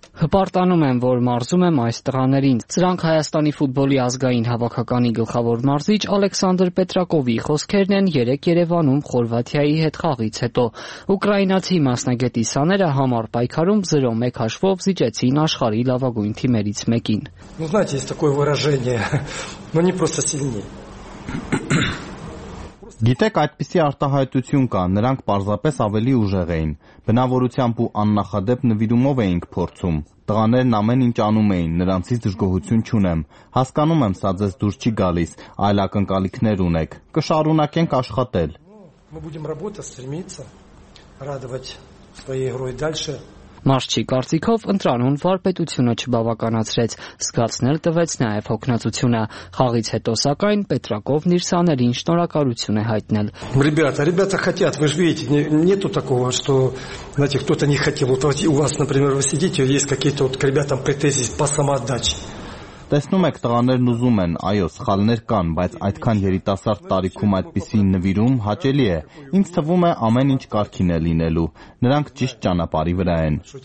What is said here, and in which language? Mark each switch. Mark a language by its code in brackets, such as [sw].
[hy] Հպարտանում եմ, որ մարզում եմ այս տղաներին։ Սրանք Հայաստանի ֆուտբոլի ազգային հավաքականի գլխավոր մարզիչ Ալեքսանդր Պետրակովի խոսքերն են 3 Երևանում Խորվաթիայի հետ խաղից հետո։ Ուկրաինացի մասնագետի սաները համառ պայքարում 0-1 հաշվով զիջեցին աշխարհի լավագույն թիմերից մեկին։ [ru] Ну знаете, есть такое выражение, но не просто сильнее. [hy] Գիտեք, այդպիսի արտահայտություն կա, նրանք պարզապես ավելի ուժեղ էին, բնավորությամբ ու աննախադեպ նվիրումով էինք փորձում, տղաներն ամեն ինչ անում էին, նրանցից դժգոհություն չունեմ, հասկանում եմ, սա ձեզ դուր չի գալիս, այլ ակնկալիքներ ունեք, կշարունակենք աշխատել։ Մարշչի կարծիքով ընտրանուն վարպետությունը չբավականացրեց, զգացնել տվեց նաև հոգնածությունը։ Խաղից հետո սակայն Պետրակովն իր սաներին շնորհակալություն է հայտնել։ [ru] Ребята, ребята хотят, вы же видите, нету такого, что, знаете, кто-то не хотел. Вот у вас, например, вы сидите, есть какие-то вот к ребятам претензии по самоотдаче. [hy] Տեսնում եք, տղաներն ուզում են, այո, սխալներ կան, բայց այդքան երիտասարդ տարիքում այդպիսին նվիրում հաճելի է։ Ինձ թվում է, ամեն ինչ կարքին է լինելու։ Նրանք ճիշտ ճանապարհի վրա են։